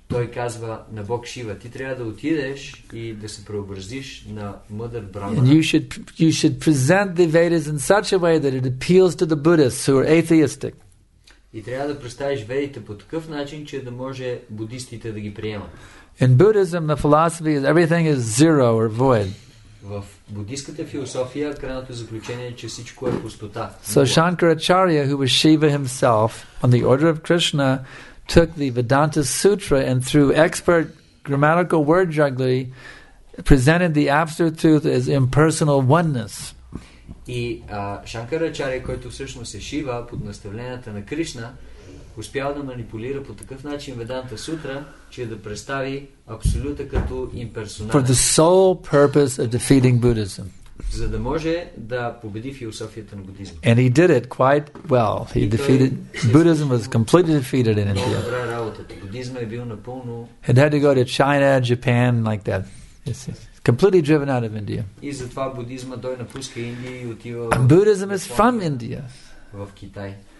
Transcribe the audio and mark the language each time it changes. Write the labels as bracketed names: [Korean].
[Bulgarian] Той казва на Бог Шива, ти трябва да отидеш и да се преобразиш на мъдър Брахмана. [English] And you should present the Vedas in such a way that it appeals to the Buddhists who are atheistic. [Bulgarian] И трябва да представиш Ведите по такъв начин, че да може будистите да ги приемат. [English] In Buddhism, the philosophy is everything is zero or void. [Bulgarian] В буддийската философия крайното заключение е, че всичко е пустота. [English] So Shankaracharya, who was Shiva himself, on the order of Krishna, took the Vedanta Sutra and through expert grammatical word jugglery presented the absolute truth as impersonal oneness. [Bulgarian] И Shankaracharya, който всъщност е Шива, под наставленията на Кришна, успял да манипулира по такъв начин Веданта Сутра, че да представи абсолюта като имперсонален. [English] For the sole purpose of defeating Buddhism. [Bulgarian] За да може да победи философията на будизма. [English] And he did it quite well. He defeated Buddhism was completely defeated in India. [Bulgarian] Добра работа. Будизма е бил напълно. [English] It had to go to China, Japan, like that. Yes, yes. Completely driven out of India. [Bulgarian] И затова будизма дой напуска Индия и отива. [English] And Buddhism is from India. [Bulgarian] В Китай.